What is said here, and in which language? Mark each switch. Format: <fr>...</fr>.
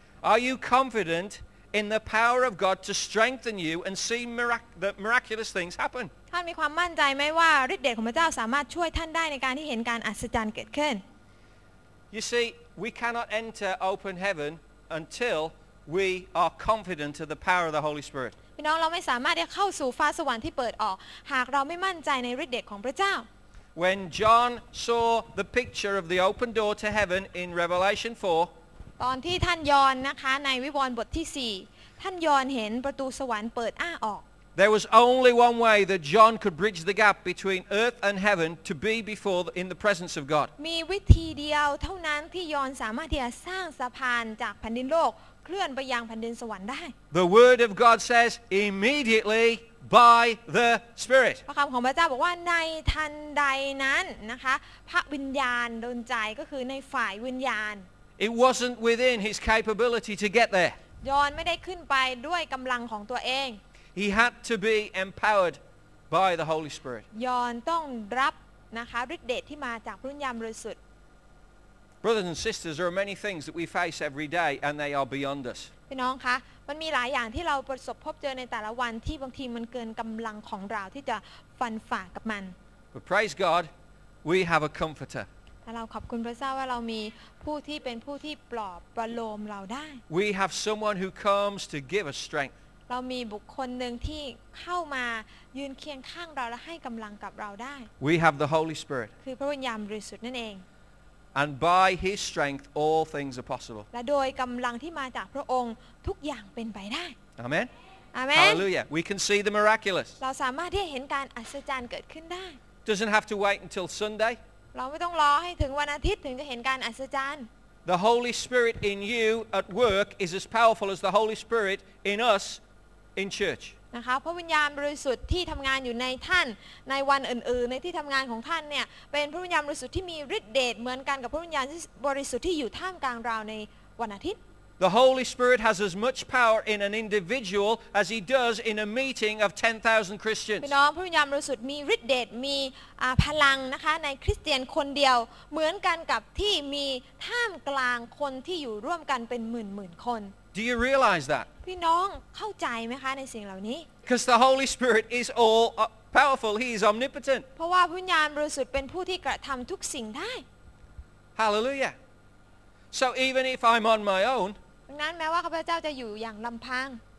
<en>Are you confident in the power of God to strengthen you and see the miraculous things happen</en> <th>ท่านมีความมั่นใจไหมว่าฤทธิ์เดชของพระเจ้าสามารถช่วยท่านได้ในการที่เห็นการอัศจรรย์เกิดขึ้น</th> <en>You see we cannot enter open heaven until we are confident of the power of the Holy Spirit</en> <th>พี่น้องเราไม่สามารถจะเข้าสู่ฟ้าสวรรค์ที่เปิดออกหากเราไม่มั่นใจในฤทธิ์เดชของพระเจ้า</th> <en>When John saw the picture of the open door to heaven in Revelation 4</en> <th>ตอนที่ท่านยอห์นนะคะในวิวรณ์บทที่4ท่านยอห์นเห็นประตูสวรรค์เปิดอ้าออก</th> <en>There was only one way that John could bridge the gap between earth and heaven to be before in the presence of God</en> <th>มีวิธีเดียวเท่านั้นที่ยอห์นสามารถที่จะสร้างสะพานจากแผ่นดินโลกเคลื่อนไปยังแผ่นดินสวรรค์ได้</th> <en>The word of God says immediately by the Spirit</en> <th>พระคำของพระเจ้าบอกว่าในทันใดนั้นนะคะพระวิญญาณดลใจก็คือในฝ่ายวิญญาณ</th> <en>It wasn't within his capability to get there</en> <th>ยอห์นไม่ได้ขึ้นไปด้วยกำลังของตัวเอง</th> <en>He had to be empowered by the Holy Spirit</en> <th>ยอห์นต้องรับนะคะฤทธิ์เดชที่มาจากพระวิญญาณบริสุทธิ์</th> <en>Brothers and sisters, there are many things that we face every day, and they are beyond us.</en> <th>พี่น้องคะมันมีหลายอย่างที่เราประสบพบเจอในแต่ละวันที่บางทีมันเกินกำลังของเราที่จะฟันฝ่ากับมัน</th> <en>But praise God, we have a comforter.</en> <th>แต่เราขอบคุณพระเจ้าว่าเรามีผู้ที่เป็นผู้ที่ปลอบประโลมเราได้</th> <en>We have someone who comes to give us strength.</en> <th>เรามีบุคคลหนึ่งที่เข้ามายืนเคียงข้างเราและให้กำลังกับเราได้</th> <en>We have the Holy Spirit</en> <th>คือพระวิญญาณบริสุทธิ์นั่นเอง</th> <en>And by His strength all things are possible</en> <th>และโดยกำลังที่มาจากพระองค์ทุกอย่างเป็นไปได้</th> <en>Amen Amen Hallelujah We can see the miraculous</en> <th>เราสามารถที่จะเห็นการอัศจรรย์เกิดขึ้นได้</th> <en>Doesn't have to wait until Sunday</en> <th>เราไม่ต้องรอให้ถึงวันอาทิตย์ถึงจะเห็นการอัศจรรย์</th> <en>The Holy Spirit in you at work is as powerful as the Holy Spirit in us in church.</en> <th>นะคะพระวิญญาณบริสุทธิ์ที่ทำงานอยู่ในท่านในวันอื่นๆในที่ทำงานของท่านเนี่ยเป็นพระวิญญาณบริสุทธิ์ที่มีฤทธิ์เดชเหมือนกันกับพระวิญญาณบริสุทธิ์ที่อยู่ท่ามกลางเราในวันอาทิตย์</th> <en>The Holy Spirit has as much power in an individual as he does in a meeting of 10,000 Christians.</en> <th>พี่น้องพระวิญญาณบริสุทธิ์มีฤทธิ์เดชมีพลังนะคะในคริสเตียนคนเดียวเหมือนกันกับที่มีท่ามกลางคนที่อยู่ร่วมกันเป็นหมื่นๆคน</th> <en>Do you realize that?</en> <th>พี่น้องเข้าใจไหมคะในสิ่งเหล่านี้</th> <en>Because the Holy Spirit is all powerful. He is omnipotent.</en> <th>เพราะว่าพระวิญญาณบริสุทธิ์เป็นผู้ที่กระทำทุกสิ่งได้</th> <en>Hallelujah. So even if I'm on my own,</en> <th>ดังนั้นแม้ว่าข้าพเจ้าจะอยู่อย่างลำพัง</th>